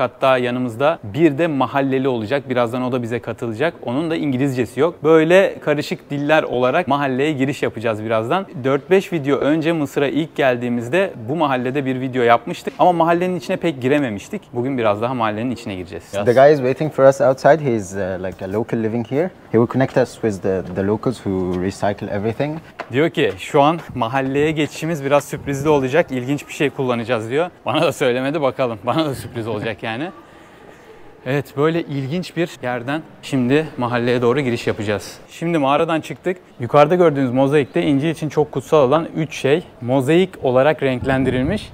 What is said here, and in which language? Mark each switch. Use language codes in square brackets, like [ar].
[tr] Hatta yanımızda bir de mahalleli olacak. Birazdan o da bize katılacak. Onun da İngilizcesi yok. Böyle karışık diller olarak mahalleye giriş yapacağız birazdan. 4-5 video önce Mısır'a ilk geldiğimizde bu mahallede bir video yapmıştık ama mahallenin içine pek girememiştik. Bugün biraz daha mahallenin içine gireceğiz. [en] The guy is waiting for us outside. He's like a local living here. He will connect us with the locals who recycle everything. [tr] Diyor ki şu an mahalleye geçişimiz biraz sürprizli olacak. İlginç bir şey kullanacağız diyor. Bana da söylemedi bakalım. Bana da sürpriz olacak yani. Evet, böyle ilginç bir yerden şimdi mahalleye doğru giriş yapacağız. Şimdi mağaradan çıktık. Yukarıda gördüğünüz mozaikte İncil için çok kutsal olan 3 şey mozaik olarak renklendirilmiş.